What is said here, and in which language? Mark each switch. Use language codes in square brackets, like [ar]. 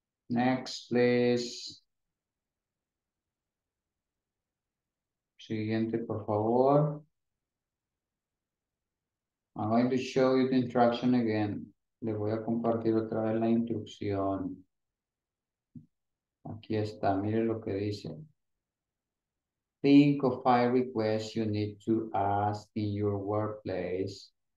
[en] Next, please. [es] Siguiente, por favor. [en] I'm going to show you the instruction again. [es] Le voy a compartir otra vez la instrucción. Aquí está, mire lo que dice. [en] Think of 5 requests you need to ask in your workplace.